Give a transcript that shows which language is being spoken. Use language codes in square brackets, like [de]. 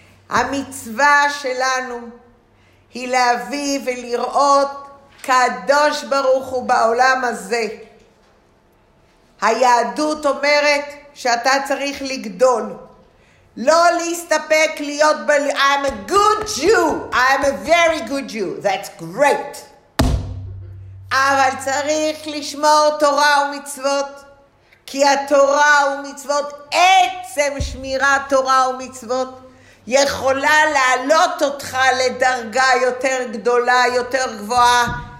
[he] המצווה שלנו היא להביא ולראות קדוש ברוך הוא בעולם הזה. היהדות אומרת שאתה צריך לגדול. לא להסתפק להיות [en] I'm a good Jew. I'm a very good Jew. That's great. [he] אבל צריך לשמור תורה ומצוות, כי התורה ומצוות, עצם שמירת תורה ומצוות, יכולה להעלות אותך לדרגה יותר גדולה, יותר גבוהה.